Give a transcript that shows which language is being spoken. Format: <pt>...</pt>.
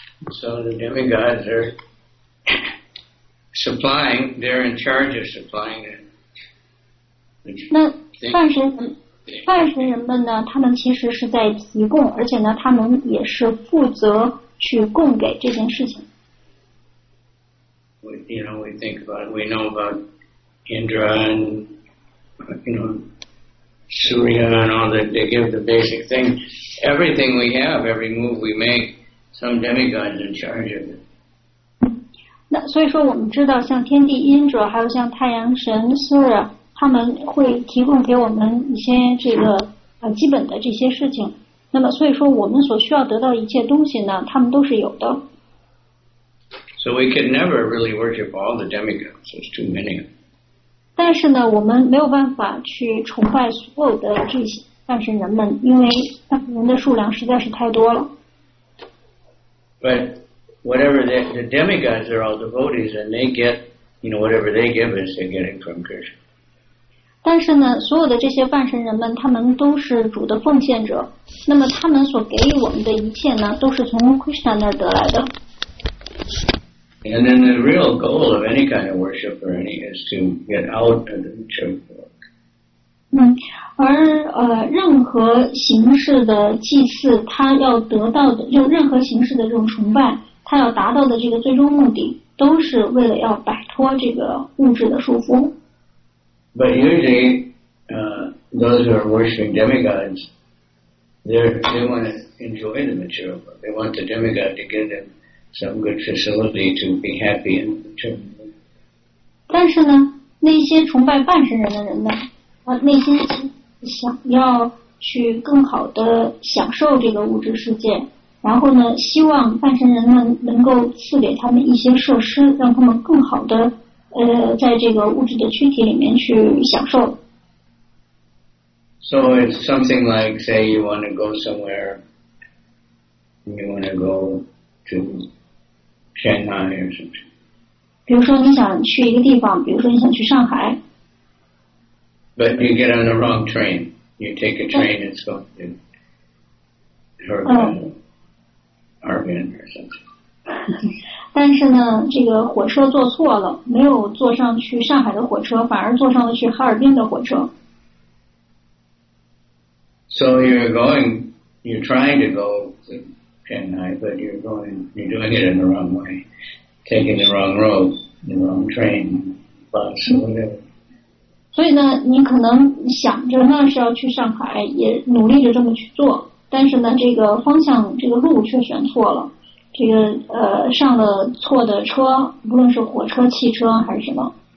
<en>So the demigods are supplying, they're in charge of supplying it.</en> <zh>那半神人们呢，他们其实是在提供，而且呢，他们也是负责去供给这件事情。</zh> <en>We think about it. We know about Indra and Surya and all that. They give the basic thing. Everything we have, every move we make, some demigod is in charge of it.</en> <zh>那所以说，我们知道像天帝 Indra， 还有像太阳神 Surya， 他们会提供给我们一些这个基本的这些事情。那么所以说，我们所需要得到一切东西呢，他们都是有的。</zh> <en>So we could never really worship all the demigods. There's too many.</en> <zh>但是呢，我们没有办法去崇拜所有的这些半神人们，因为半神人的数量实在是太多了。</zh> <en>But whatever the demigods are all devotees, and they get, whatever they give is they're getting from Krishna.</en> <zh>但是呢，所有的这些半神人们，他们都是主的奉献者。那么他们所给予我们的一切呢，都是从 Krishna 那儿得来的。</zh> <en>And then the real goal of any kind of worship or any is to get out of the material world.</en> <zh>而任何形式的祭祀，他要得到的，就任何形式的这种崇拜，他要达到的这个最终目的，都是为了要摆脱这个物质的束缚。</zh> <en>But usually, those who are worshiping demigods, they want to enjoy the material world. They want the demigod to give them some good facility to be happy in the world.</en> <zh>但是呢，那些崇拜半神人的人呢，内心想要去更好的享受这个物质世界，然后呢，希望半神人们能够赐给他们一些设施，让他们更好的在这个物质的躯体里面去享受。</zh> <en>So it's something like, say you want to go somewhere, you want to go to Shanghai or something.</en> <zh>比如说你想去一个地方，比如说你想去上海。</zh> <en>But you get on the wrong train. You take a train that's going to Harbin or something.</en> <zh>但是呢，这个火车坐错了，没有坐上去上海的火车，反而坐上了去哈尔滨的火车。</zh> <en>So you're going, you're trying to go to Chennai, but you're going, you're doing it in the wrong way, taking the wrong road, the wrong train, bus, whatever.</en> <zh>所以呢，你可能想着那是要去上海，也努力着这么去做，但是呢，这个方向，这个路却选错了。这个上了错的车，无论是火车、汽车还是什么。</zh>